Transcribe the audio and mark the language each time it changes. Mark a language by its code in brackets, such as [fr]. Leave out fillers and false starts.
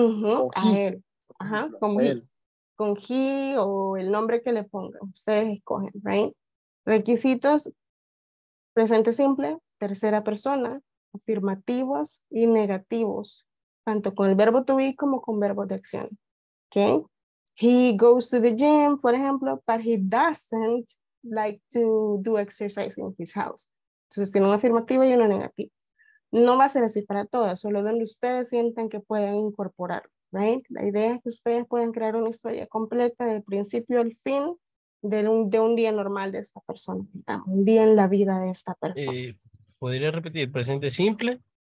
[es] uh-huh, a he. Él. Ajá, como él. He. Con he o el nombre que le pongan. Ustedes escogen, ¿right? Requisitos, presente simple, tercera persona, afirmativos y negativos, tanto con el verbo to be como con verbo de acción. [en] Okay. He goes to the gym, [es] por ejemplo, [en] but he doesn't like to do exercise in his house. [es] Entonces tiene una afirmativa y una negativa. No va a ser así para todas, solo donde ustedes sientan que pueden incorporar, right? La idea es que ustedes puedan crear una historia completa del principio al fin de un día normal de esta persona, un día en la vida de esta persona. ¿Podría repetir? ¿Presente simple?